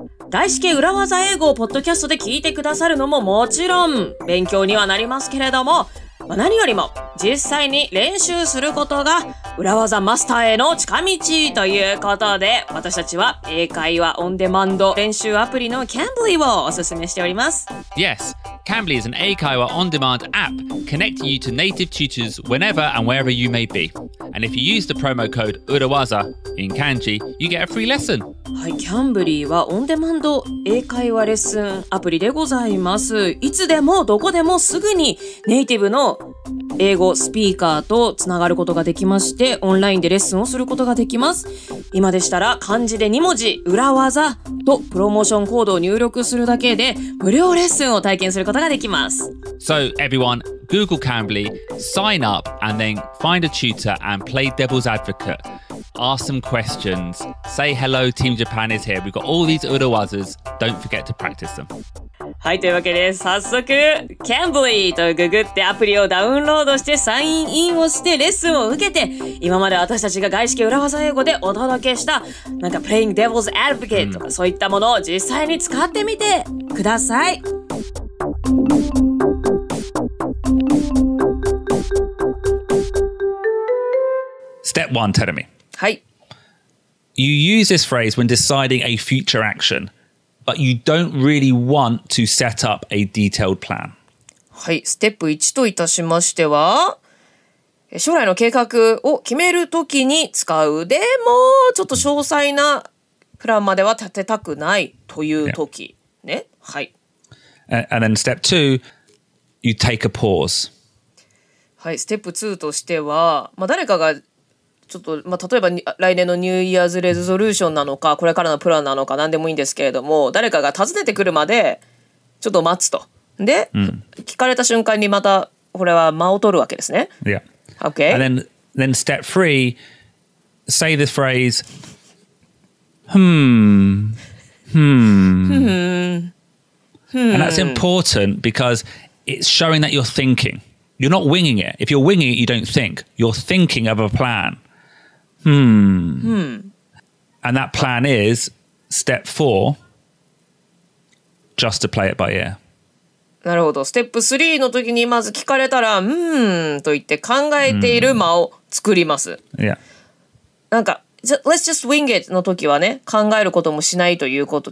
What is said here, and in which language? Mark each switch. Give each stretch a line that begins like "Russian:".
Japanese: 外資系裏技英語をポッドキャストで聞いてくださるのももちろん勉強にはなりますけれども、まあ、何よりも実際に練習することが裏技マスターへの近道ということで、私たちは英会話オンデマンド練習アプリの Cambly をおすすめしております。
English: Yes, Cambly is an
Japanese: 英会話オンデマンド
English: app connecting you to native tutors whenever and wherever you may be. And if you use the promo code URAWAZA in Kanji, you get a free lesson.
Japanese: はい、Cambly はオンデマンド英会話レッスンアプリでございます。いつでもどこでもすぐにネイティブの英語スピーカーとつながることができまして、オンラインでレッスンをすることができます。今でしたら漢字で2文字裏技とプロモーションコードを入力するだけで無料レッスンを体験することができます。
English: So everyone, Google Cambly, sign up and then find a tutor and play devil's advocate. Ask some questions. Say hello, Team Japan is here. We've got all these 裏技. Don't forget to practice them.
Japanese: はい、というわけで早速 Cambly とググってアプリをダウンロードしてサインインをしてレッスンを受けて、今まで私たちが外資系裏技英語でお届けしたなんか Playing Devil's Advocate とか、そういったものを実際に使ってみてください、
English: Step 1, tell me.
Japanese: はい。
English: You use this phrase when deciding a future actionBut you don't really want to set up a detailed plan.
Japanese: はい、ステップ1といたしましては、将来の計画を決めるときに使う。でも、ちょっと詳細なプランまでは立てたくないというとき、yeah. ね。はい。
English: And then step 2, you take a pause.
Japanese: はい、ステップ2としては、まあ、誰かがちょっと、まあ、例えば来年のニューイヤーズレゾリューションなのか、これからのプランなのか、何でもいいんですけれども、誰かが訪ねてくるまでちょっと待つと。で、うん、聞かれた瞬間にまたこれは間を取るわけですね。
English: Yeah. Okay. And then step three, say this phrase, hmm. And that's important because it's showing that you're thinking. You're not winging it. If you're winging it, you don't think. You're thinking of a plan. And that plan is step four, just to play it by ear.
Japanese: なるほど。ステップ3の時にまず聞かれたら、と言って考えている間を作ります。
English: Yeah.
Japanese: なんか、
English: let's just wing it
Japanese: の時はね、考えることもしないということ。